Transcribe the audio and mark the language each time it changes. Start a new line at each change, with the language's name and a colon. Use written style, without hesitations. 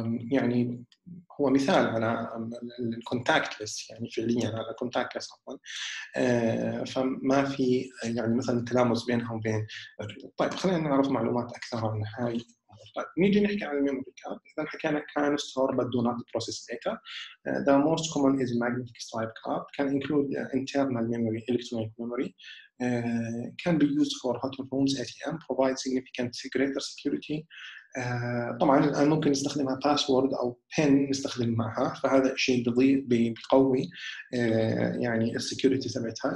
Arabic: يعني هو مثال على الكونتاكتلس، يعني فعليا على كونتاكتلس عفوا، فما في يعني مثلا تلامس بينها وبين. طيب خلينا نعرف معلومات أكثر عن هاي. طيب نيجي نحكي عن الميموري كارد. إذا حكينا كان
English: Store بس do not process data. The most common is magnetic stripe card. Can include internal memory, electronic memory. Can be used for hotel rooms, ATM. Provide significant greater security.
Arabic: طبعا الآن ممكن نستخدمها باسورد أو بين نستخدم معها، فهذا شيء بيضيف بيقوي يعني السكيورتي تبعتها.